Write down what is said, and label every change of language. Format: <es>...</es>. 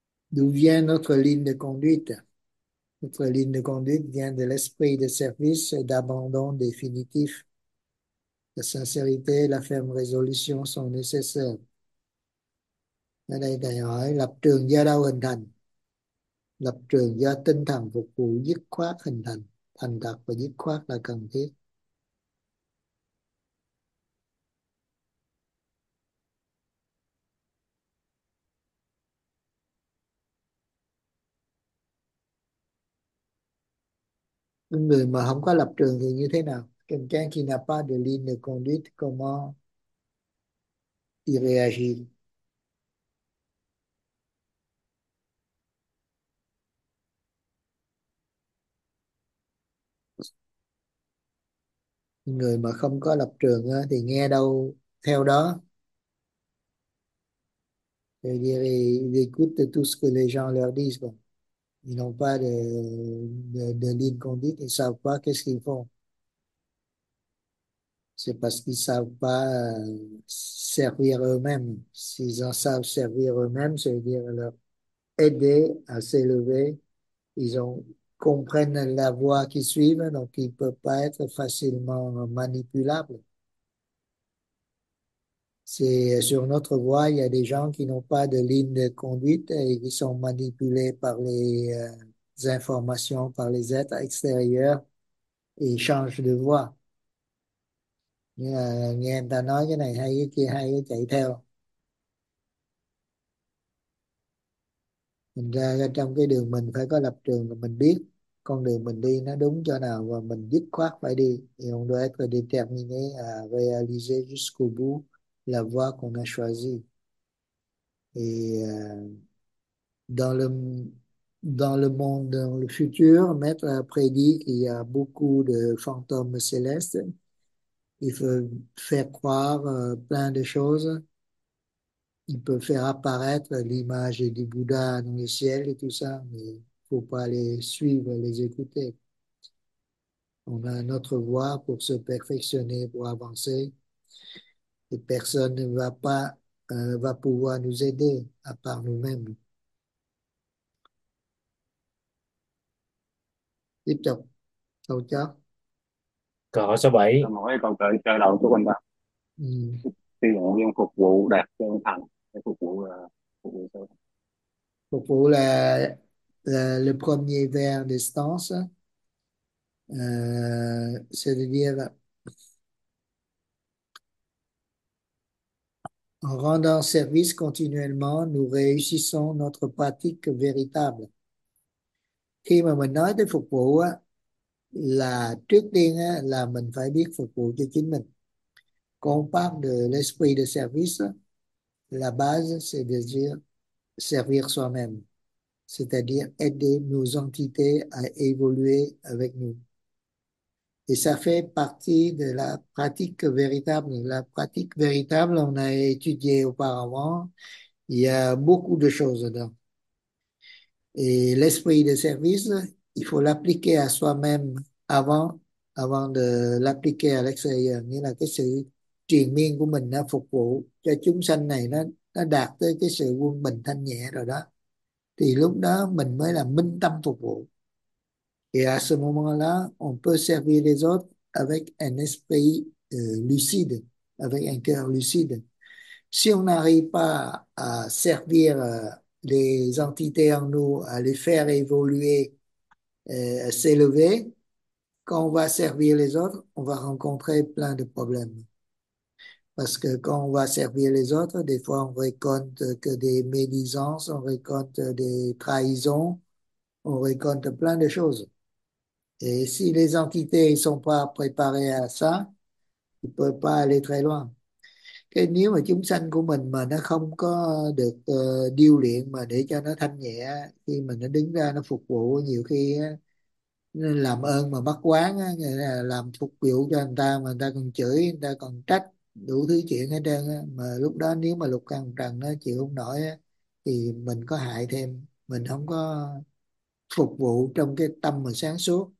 <fr>D'où vient notre ligne de conduite? Notre ligne de conduite vient de l'esprit de service et d'abandon définitif. La sincérité et la ferme résolution sont nécessaires.</fr> <vi>Ở đây thầy hỏi lập trường do đâu hình thành? Lập trường do tinh thần phục vụ dứt khoát hình thành, thành thật và dứt khoát là cần thiết. Người mà không có lập trường thì như thế nào?</vi> <fr>Quelqu'un qui n'a pas de ligne de conduite, comment il réagit?</fr> <vi>Người mà không có lập trường thì nghe đâu theo đó.</vi> <fr>Ils écoutent tout ce que les gens leur disent. Ils n'ont pas de ligne conduite. Ils ne savent pas qu'est-ce qu'ils font. C'est parce qu'ils ne savent pas servir eux-mêmes. S'ils en savent servir eux-mêmes, c'est-à-dire leur aider à s'élever, ils ont comprennent la voie qu'ils suivent, donc ils ne peuvent pas être facilement manipulables. C'est sur notre voie, il y a des gens qui n'ont pas de ligne de conduite et qui sont manipulés par les informations, par les êtres extérieurs et changent de voie.</fr> <vi>Nhưng là, nghe người ta nói cái này hay cái kia hay cái chạy theo. Mình ra trong cái đường mình phải có lập trường, mình biết con đường mình đi nó đúng chỗ nào và mình dứt khoát phải đi.</vi> <fr>Et on doit être déterminé à réaliser jusqu'au bout la voie qu'on a choisie. Et dans le monde, dans le futur, Maître a prédit qu'il y a beaucoup de fantômes célestes. Il faut faire croire plein de choses. Il peut faire apparaître l'image du Bouddha dans le ciel et tout ça, mais il ne faut pas les suivre, les écouter. On a notre voie pour se perfectionner, pour avancer. Et personne ne va pas, va pouvoir nous aider à part nous-mêmes.</fr> <vi>Tiếp tục. Câu chat. Câu số 7. Hỏi câu cỡ chơi đầu của anh ta. Tiêu nguyên phục vụ đạt chân thành, cái phục vụ sao? Phục vụ là</vi> <fr>le premier verbe d'essence, c'est-à-dire en rendant service continuellement, nous réussissons notre pratique véritable.</fr> <vi>Khi mà mình nói tới phục vụ á, là trước tiên á, là mình phải biết phục vụ cho chính mình.</vi> <fr>Quand on parle de l'esprit de service, la base, c'est de dire servir soi-même, c'est-à-dire aider nos entités à évoluer avec nous. Et ça fait partie de la pratique véritable. La pratique véritable, on a étudié auparavant, il y a beaucoup de choses dedans. Et l'esprit de service, il faut l'appliquer à soi-même avant de l'appliquer à l'extérieur.</fr> <vi>Nghĩa là cái sự triền miên của mình nó phục vụ cho chúng sanh này nó đạt tới cái sự quân bình thanh nhẹ rồi đó. Thì lúc đó mình mới là minh tâm phục vụ.</vi> <fr>Et à ce moment-là, on peut servir les autres avec un esprit lucide, avec un cœur lucide. Si on n'arrive pas à servir les entités en nous, à les faire évoluer, à s'élever, quand on va servir les autres, on va rencontrer plein de problèmes. Parce que quand on va servir les autres, des fois on récolte que des médisances, on récolte des trahisons, on récolte plein de choses. Et si les entités ne sont pas préparées à ça, ils ne peuvent pas aller très loin.</fr> <vi>Et nếu mà chúng sanh của mình mà nó không có được điêu luyện mà để cho nó thanh nhẹ khi mà nó đứng ra nó phục vụ, nhiều khi làm ơn mà bắt quán, làm phục vụ cho người ta mà người ta còn chửi, người ta còn trách, đủ thứ chuyện hết trơn, mà lúc đó nếu mà lục căn trần nó chịu không nổi thì mình có hại thêm, mình không có phục vụ trong cái tâm mà sáng suốt.</vi>